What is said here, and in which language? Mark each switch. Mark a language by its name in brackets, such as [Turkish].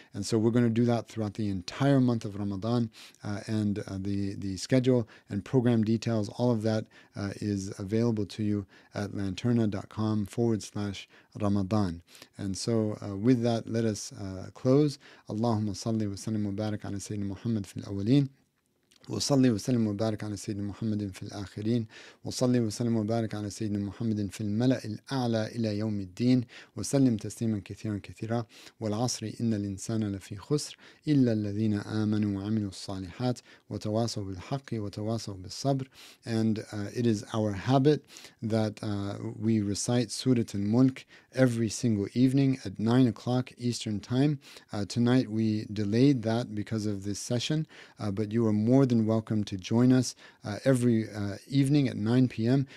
[English] And so we're going to do that throughout the entire month of Ramadan, and the schedule and program details, all of that is available to you at lanterna.com/Ramadan. And so with that, let us close. [Arabic] Allahumma salli wa sallim wa barak ala Sayyidina Muhammad fil awaleen. وصلي وسلم وبارك على سيدنا محمد في الآخرين وصلي وسلم وبارك على سيدنا محمد في الملأ الأعلى إلى يوم الدين وسلم تسليما كثيرا كثيرا والعصر إن الإنسان لفي خسر إلا الذين آمنوا وعملوا الصالحات وتواصوا بالحق وتواصوا بالصبر. [English] And it is our habit that we recite سورة الملك every single evening at 9 o'clock Eastern Time. Tonight we delayed that because of this session, but you are more than welcome to join us every evening at 9 p.m.